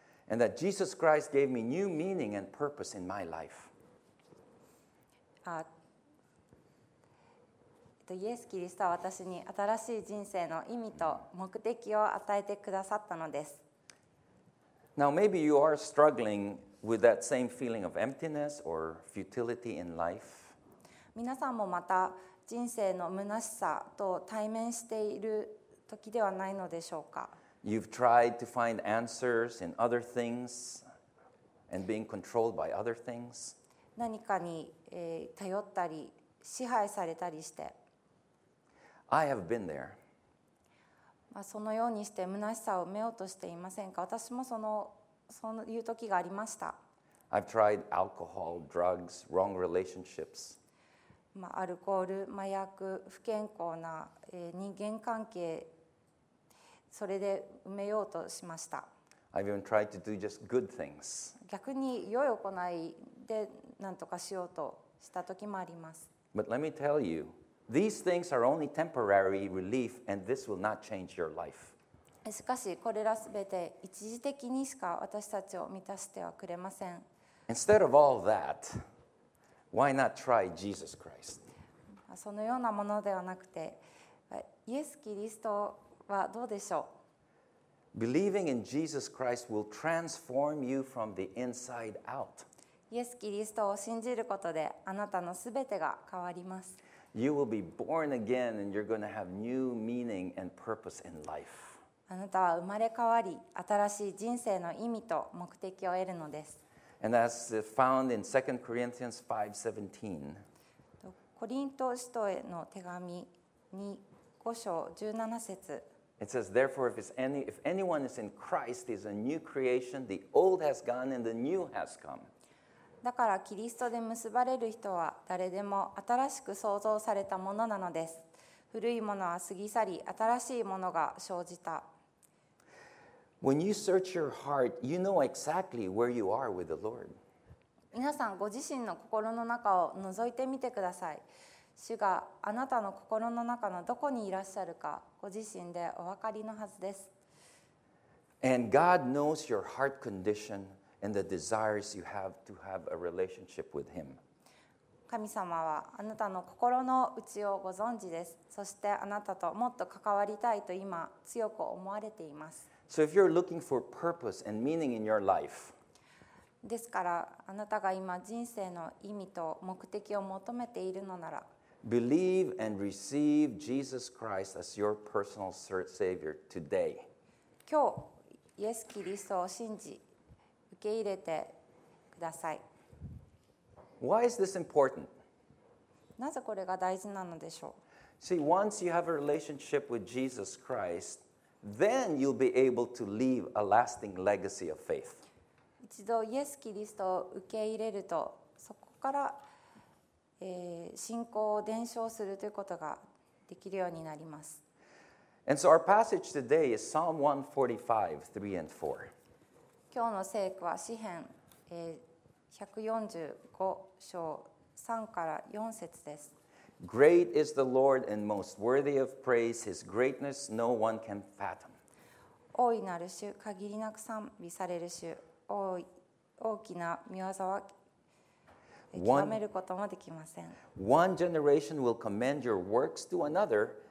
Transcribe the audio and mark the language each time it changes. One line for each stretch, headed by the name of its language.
English: And that Jesus Christ gave me new meaning and purpose in my life.
Japanese: イエス・キリストは私に新しい人生の意味と目的を与えてくださったのです。
English: Now maybe you are struggling with that same feeling of emptiness or futility in life.
Japanese: 皆さんもまた人生の虚しさと対面している時ではないのでしょうか。
English: You've tried to find answers in other things and being controlled by other things.
Japanese: 何かに頼ったり支配されたりして。
English: I have been there.
Japanese: そのようにして虚しさを埋めようとしていませんか。私もそういう時がありました。
English: I've tried alcohol, drugs, wrong relationships.
Japanese: アルコール、麻薬、不健康な人間関係、それで埋めようとしました。
English: I've even tried to do just good things.
Japanese: 逆に良い行いで何とかしようとした時もあります。
English: But let me tell youThese things are only temporary relief, and this will not change your life.
Japanese: しかし、これらすべて一時的にしか私たちを満たしてはくれません。
English: Instead of all that, why not try Jesus Christ?
Japanese: そのようなものではなくて、イエス・キリストはどうでしょう?
English: Believing in Jesus Christ will transform you from the inside out.
Japanese: イエス・キリストを信じることで、あなたのすべてが変わります。
English: You will be born again, and you're going to have new meaning and purpose in life.
Japanese: あなたは生まれ変わり、新しい人生の意味と目的を得るのです。
English: And as found in 2 Corinthians 5:17,
Japanese: コリント人への手紙2章17節。
English: It says, therefore, if anyone is in Christ, he is a new creation. The old has gone, and the new has come.
Japanese: だからキリストで結ばれる人は誰でも新しく創造されたものなのです。古いものは過ぎ去り、新しいものが生じた。
English: When you search your heart, you know exactly where you are with the Lord.
Japanese: 皆さんご自身の心の中を覗いてみてください。主があなたの心の中のどこにいらっしゃるか、ご自身でお分かりのはずです。
English: And God knows your heart conditionAnd the desires you have to have a relationship with Him.
Japanese: 神様はあなたの心の内をご存知です。そしてあなたともっと関わりたいと今強く思われています。
English: So if you're looking for purpose and meaning in your life,
Japanese: ですからあなたが今人生の意味と目的を求めているのなら、
English: believe and receive Jesus Christ as your personal Savior today.
Japanese: 今日、イエス・キリストを信じ、受け入れてください。
English: Why is this important?
Japanese: なぜこれが大事なのでしょう。
English: See, once you have a relationship with Jesus Christ, then you'll be able to leave a lasting legacy of faith.
Japanese: 一度イエス・キリストを受け入れると、そこから、信仰を伝承するということができるようになります。
English: And so our passage today is Psalm 145, 3 and 4.
Japanese: 今日の聖句は詩編145章3から4節です。
English: Great is the Lord and most worthy of praise. His greatness no one can fathom.
Japanese: 大いなる主、限りなく賛美される主、大きな御業は極めることもできません。
English: One generation will commend your works to another.